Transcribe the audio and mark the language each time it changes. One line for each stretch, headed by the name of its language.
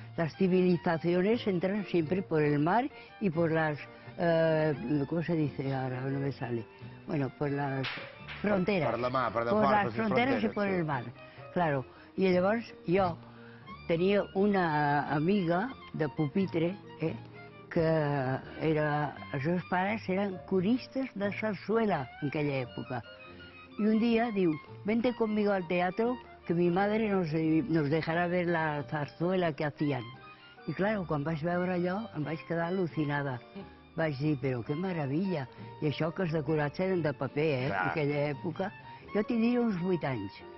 Catalan: Les civilitzacions
Spanish: entran sempre por el mar i por las... ¿Cómo se dice ahora? No me sale. Bueno, por las fronteras.
Catalan: Per la mar, per la part.
Spanish: Por las fronteras y por el mar, claro.
Catalan: I llavors jo tenia una amiga de pupitre, que els seus pares eren coristes de sarsuela en aquella època. I un dia diu,
Spanish: vente conmigo al teatro, que mi madre nos dejará ver la zarzuela que hacían.
Catalan: I claro, quan vaig veure allò, em vaig quedar al·lucinada. Vaig dir, però que meravella. I això, que els decorats eren de paper, en aquella època. Jo tindria uns 8 anys.